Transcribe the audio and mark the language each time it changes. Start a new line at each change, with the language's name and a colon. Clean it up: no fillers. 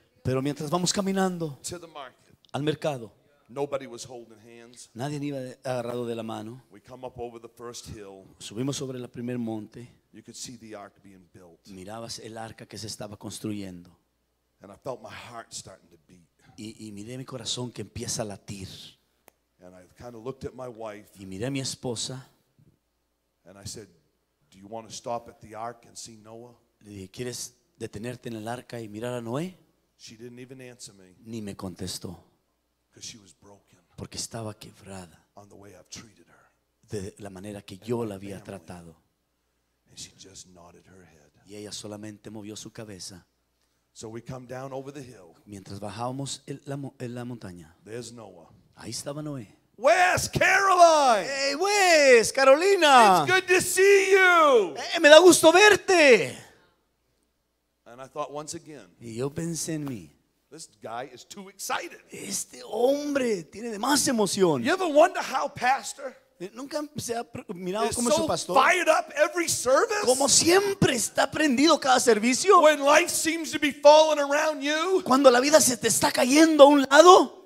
Spanish: pero mientras vamos caminando
English: to the market,
Spanish: al mercado,
English: nobody was holding hands.
Spanish: Nadie iba agarrado de la mano.
English: We come up over the first hill.
Spanish: Subimos sobre el primer monte.
English: You could see the ark being built.
Spanish: Mirabas el arca que se estaba construyendo.
English: And I felt my heart starting to beat.
Spanish: Y miré mi corazón que empieza a latir.
English: And I kind of looked at my wife.
Spanish: Y miré a mi esposa.
English: And I said, "Do you want to stop at the ark and see Noah?"
Spanish: Le dije, ¿quieres detenerte en el arca y mirar a Noé?
English: She didn't even answer me.
Spanish: Ni me contestó.
English: Because she was broken.
Spanish: Porque estaba quebrada.
English: On the way I've treated her.
Spanish: De la manera que yo la había tratado.
English: And she just nodded her head.
Spanish: Y ella solamente movió su cabeza.
English: So we come down over the hill.
Spanish: Mientras bajábamos en la montaña.
English: There's Noah.
Spanish: Ahí estaba Noé.
English: Wes, Caroline. Hey, Wes, Carolina. It's good to see you.
Spanish: Me da gusto verte.
English: And I thought once again.
Spanish: Y yo pensé en mí.
English: This guy is too excited.
Spanish: Este hombre tiene de más emoción.
English: You ever wonder how pastor?
Spanish: Nunca se ha mirado como so su pastor.
English: Fired up every service.
Spanish: Como siempre está prendido cada servicio.
English: When life seems to be falling around you.
Spanish: Cuando la vida se te está cayendo a un lado.